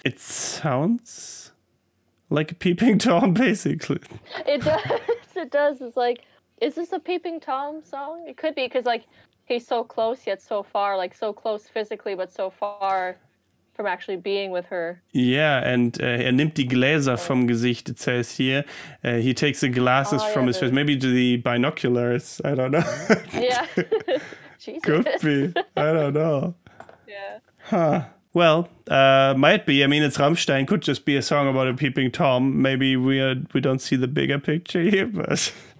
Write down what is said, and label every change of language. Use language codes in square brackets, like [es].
[en] It sounds like a Peeping Tom, basically. It does. It does. It's like, is this a Peeping Tom song? It could be, because like, he's so close yet so far, like so close physically but so far from actually being with her. [de] Yeah, and er nimmt die Gläser vom Gesicht, [en] it says here. He takes the glasses from his face. Maybe to the binoculars, I don't know. Yeah. Jesus. Could be. I don't know. Yeah. Huh. Well, might be. I mean, it's Rammstein. Could just be a song about a Peeping Tom. Maybe we don't see the bigger picture here, but...